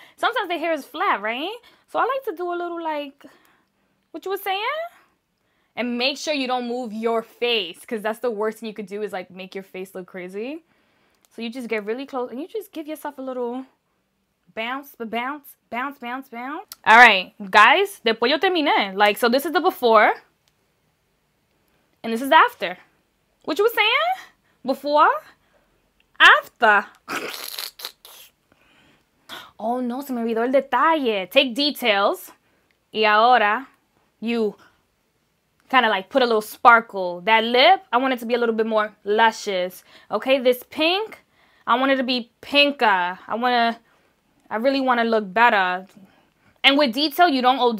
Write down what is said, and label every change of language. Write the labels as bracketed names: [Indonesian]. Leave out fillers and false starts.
[English] Sometimes the hair is flat, right? So I like to do a little like, what you were saying? And make sure you don't move your face, because that's the worst thing you could do is like make your face look crazy. So you just get really close and you just give yourself a little bounce, bounce, bounce, bounce, bounce. All right, guys, [Spanish] después yo terminé. [English] Like, so this is the before and this is after. What you were saying? Before? After. [Spanish] Oh no, se me olvidó el detalle. [English] Take details. [Spanish] Y ahora [English] you kind of like put a little sparkle. That lip, I want it to be a little bit more luscious. Okay, this pink, I want it to be pinker. I really want to look better. And with detail, you don't OD.